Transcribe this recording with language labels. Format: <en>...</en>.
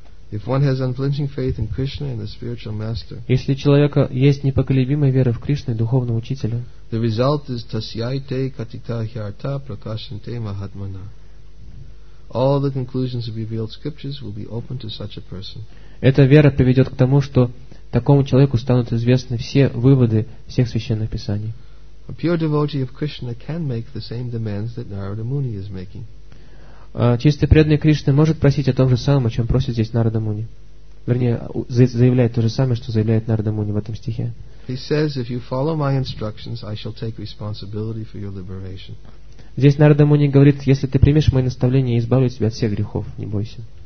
<en>If one has unflinching faith in Krishna and the spiritual master.</en> <ru>Если у человека есть непоколебимая вера в Кришну и духовного учителя.</ru> <en>The result is</en> <sa>tasyaite katita hyarta prakashante mahatmana.</sa> <en>All the conclusions of revealed scriptures will be open to such a person.</en> <ru>Эта вера приведет к тому, что такому человеку станут известны все выводы всех священных писаний.</ru> <en>A pure devotee of Krishna can make the same demands that Narada Muni is making.</en> <ru>Чистый преданный Кришны может просить о том же самом, о чем просит здесь Нарада Муни. Вернее, заявляет то же самое, что заявляет Нарада Муни в этом стихе.</ru> <en>He says, if you follow my instructions, I shall take responsibility for your liberation.</en> <ru>Здесь Нарада Муни говорит, если ты примешь мои наставления, я избавлю тебя от всех грехов, не бойся.</ru>